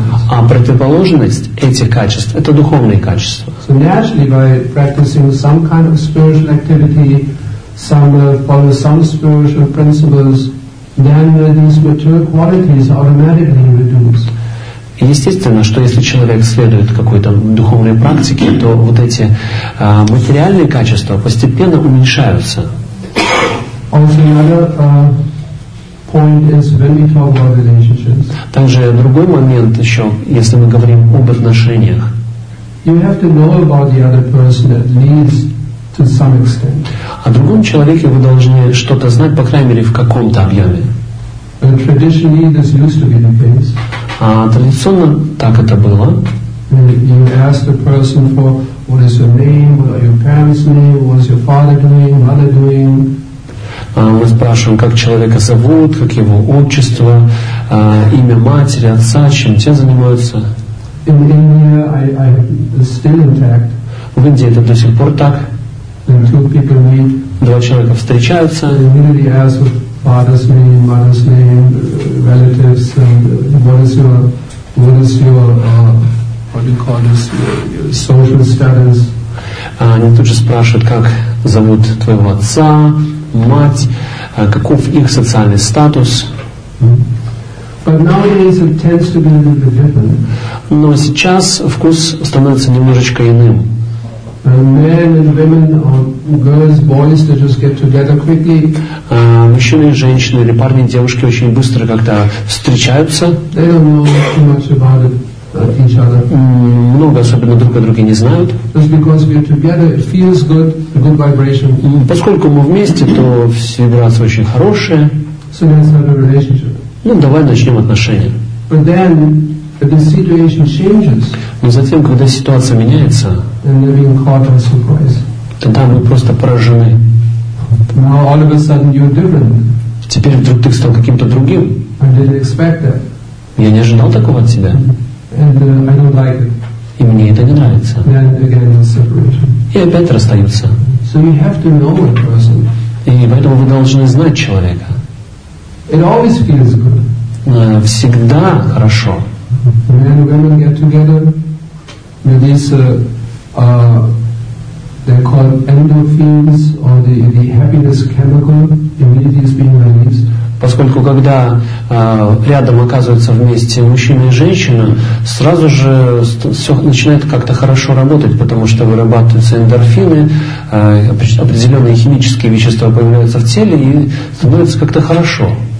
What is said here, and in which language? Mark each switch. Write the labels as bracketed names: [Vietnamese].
[Russian] А противоположность этих качеств — это духовные качества. [English] So naturally, by practicing some kind of spiritual activity, follow some spiritual principles, then these material qualities automatically reduce. [Russian] Естественно, что если человек следует какой-то духовной практике, то вот эти материальные качества постепенно уменьшаются. [English] Also another point is when we talk about relationships. [Russian] Также другой момент еще, если мы говорим об отношениях. [English] You have to know about the other person at least to some extent. [Russian] О другом человеке вы должны что-то знать, по крайней мере, в каком-то объеме. [English] Traditionally, this used to be the case. [Russian] А традиционно так это было. [English] You ask the person for what is your name, what are your parents' name, what is your father doing, mother doing. [Russian] Мы спрашиваем, как человека зовут, как его отчество, имя матери, отца, чем те занимаются. [English] In India, I still intact. [Russian] В Индии это до сих пор так. [English] And two people meet. [Russian] Два человека встречаются. [English] They immediately ask for father's name, mother's name, relatives, and social status. [Russian] Они тут же спрашивают, как зовут твоего отца, мать, каков их социальный статус. [English] But nowadays it tends to be a little bit different. [Russian] Но сейчас вкус становится немножечко иным. [English] Men and women, or girls, boys, they just get together quickly. [Russian] Мужчины, женщины или парни, девушки очень быстро как-то встречаются. [English] They don't know too much about it, each other. [Russian] Много особенно друг о друге не знают. [English] Just because we're together, it feels good, a good vibration. [Russian] Поскольку мы вместе, то вибрация очень хорошая. [English] So let's have a relationship. [Russian] Ну, давай начнем отношения. [English] But then, the situation changes. [Russian] Но затем, когда ситуация меняется, [English] and we're being caught by surprise. [Russian] Тогда мы просто поражены. [English] Now all of a sudden you're different. [Russian] Теперь вдруг ты стал каким-то другим. [English] I didn't expect that. [Russian] Я не ожидал такого от себя. [English] And, I don't like it. [Russian] И мне это не нравится. [English] And again, the separation. [Russian] И опять расстаются. [English] So you have to know a person. [Russian] И поэтому вы должны знать человека. [English] It always feels good. [Russian] Всегда хорошо. [English] Men and women get together with this, they're called endorphins, or the happiness chemical immediately is being released. [Russian] Поскольку когда рядом оказываются вместе мужчина и женщина, сразу же все начинает как-то хорошо работать, потому что вырабатываются эндорфины, определенные химические вещества появляются в теле и становится как-то хорошо.